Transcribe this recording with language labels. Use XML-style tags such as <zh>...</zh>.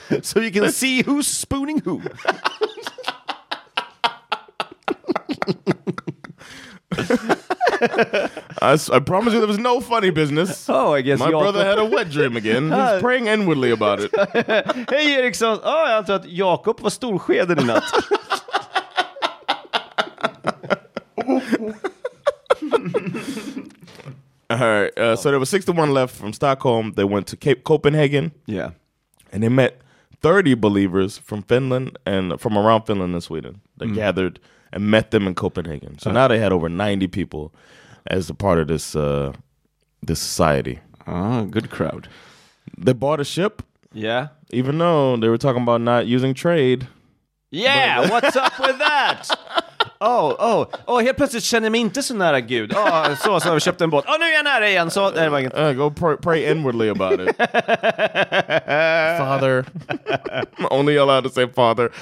<en>So you can see who's spooning who. I promise you there was no funny business. Oh, I guess my brother had a wet dream again. He's praying inwardly about it. Hey, Eriksson.</en> <sv>Oh, jag antar att Jakob var storskeden i natt.</sv> <en>All right. So there were 61 left from Stockholm. They went to Cape Copenhagen. Yeah. And they met 30 believers from Finland and from around Finland and Sweden. They gathered and met them in Copenhagen. So now they had over 90 people as a part of this this society. Ah, good crowd. They bought a ship. Yeah. Even though they were talking about not using trade. Yeah, but what's up with that?</en> <sv>Oh, helt plötsligt känner mig inte så nära Gud. Oh, så har vi köpt en båt. Oh, nu är jag nära igen. Så, nej, var inget.</sv> <en>Go pray inwardly about it. Father. I'm only allowed to say father.</en>